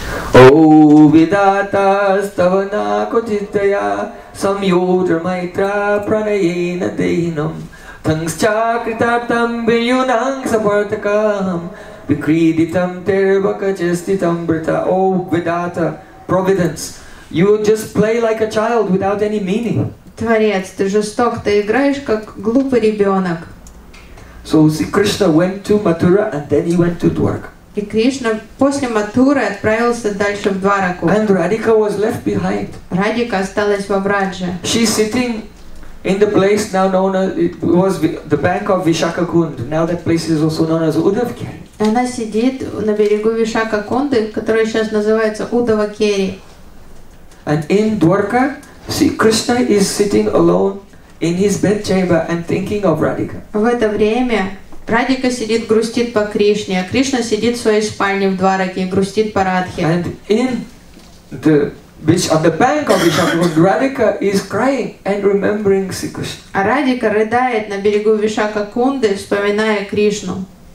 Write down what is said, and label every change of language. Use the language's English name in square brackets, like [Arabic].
[Sanskrit] Vidata stavana kuchitaya samyodra maitra pranayena dehinam tangs chakritatam vinyunang sapartakam vikriditam terbaka chestitam brita. [English] Oh Vidata, providence, you just play like a child without any meaning. [Russian] Творец, ты жесток, ты играешь как глупый ребенок. [English] So see, Krishna went to Mathura and then he went to Dwarka. [Russian] И Кришна после Матуры отправился дальше в Двараку. [English] And Radhika was left behind. [Russian] Радика осталась во Врадже. [English] She's sitting in the place now known as it was the bank of Vishakakund. Now that place is also known as Udhavakeri. [Russian] Она сидит на берегу Вишакакунды, который сейчас называется Удхавакери. [English] And in Dwarka, see, Krishna is sitting alone in his bedchamber and thinking of Radhika. [Russian] В это время Радика сидит, грустит по Кришне, а Кришна сидит в своей спальне в Двараке и грустит по Радхе. [English] And in the beach on the bank of Vishakakund, Radhika is crying and remembering Sri Krishna. [Russian] А Радика рыдает на берегу Вишакакунды, вспоминая Кришну.